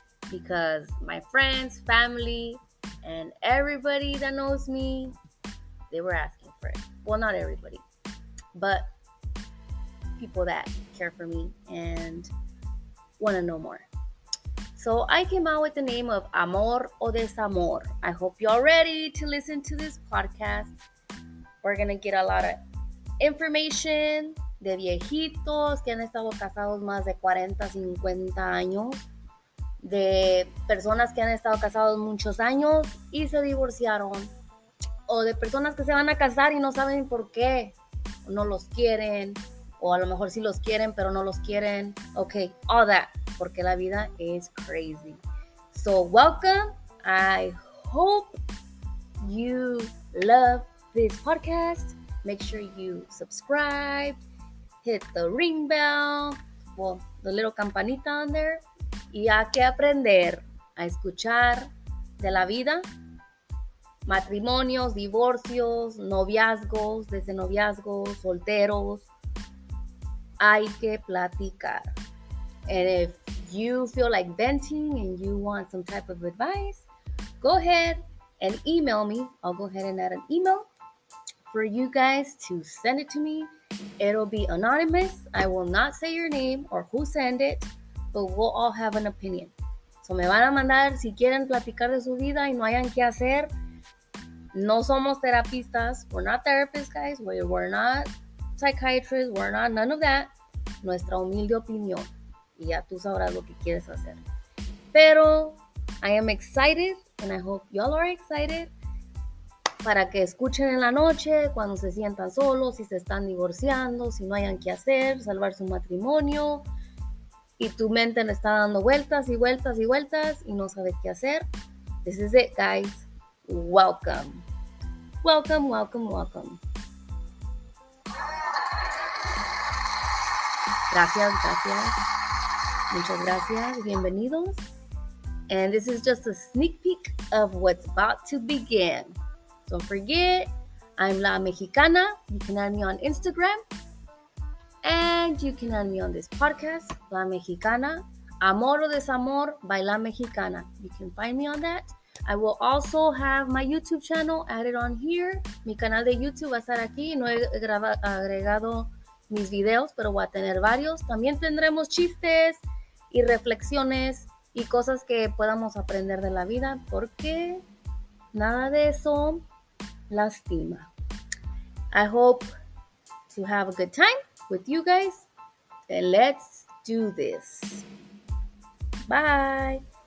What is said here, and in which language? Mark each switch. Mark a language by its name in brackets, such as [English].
[English] Because my friends, family, and everybody that knows me, they were asking for it. Well, not everybody, but people that care for me and want to know more. So I came out with the name of Amor o Desamor. I hope y'all ready to listen to this podcast. We're going to get a lot of information [Spanish] de viejitos que han estado casados más de 40, 50 años, de personas que han estado casados muchos años y se divorciaron, o de personas que se van a casar y no saben por qué, no los quieren, o a lo mejor sí los quieren, pero no los quieren. [English] Okay, all that, [Spanish] porque la vida [English] is crazy. So welcome, I hope you love this podcast. Make sure you subscribe, hit the ring bell, well, the little campanita on there. [Spanish] Y hay que aprender a escuchar de la vida, matrimonios, divorcios, noviazgos, desde noviazgos, solteros. Hay que platicar. [English] And if you feel like venting and you want some type of advice, go ahead and email me. I'll go ahead and add an email for you guys to send it to me. It'll be anonymous. I will not say your name or who sent it, but we'll all have an opinion. [Spanish] So me van a mandar si quieren platicar de su vida y no hayan qué hacer. No somos terapistas. [English] We're not therapists, guys. We're not psychiatrists. We're not none of that. [Spanish] Nuestra humilde opinión. Y ya tú sabrás lo que quieres hacer. [English] Pero I am excited and I hope y'all are excited. [Spanish] Para que escuchen en la noche, cuando se sientan solos, si se están divorciando, si no hayan qué hacer, salvar su matrimonio. Y tu mente le está dando vueltas y vueltas y vueltas y no sabes qué hacer. [English] This is it, guys. Welcome. Welcome, welcome, welcome. [Spanish] Gracias, gracias. Muchas gracias. Bienvenidos. [English] And this is just a sneak peek of what's about to begin. Don't forget, I'm La Mexicana. You can add me on Instagram. And you can add me on this podcast, La Mexicana. Amor o Desamor by La Mexicana. You can find me on that. I will also have my YouTube channel added on here. [Spanish] Mi canal de YouTube va a estar aquí. No he agregado mis videos, pero voy a tener varios. También tendremos chistes y reflexiones y cosas que podamos aprender de la vida. Porque nada de eso lastima. [English] I hope to have a good time with you guys, and let's do this. Bye.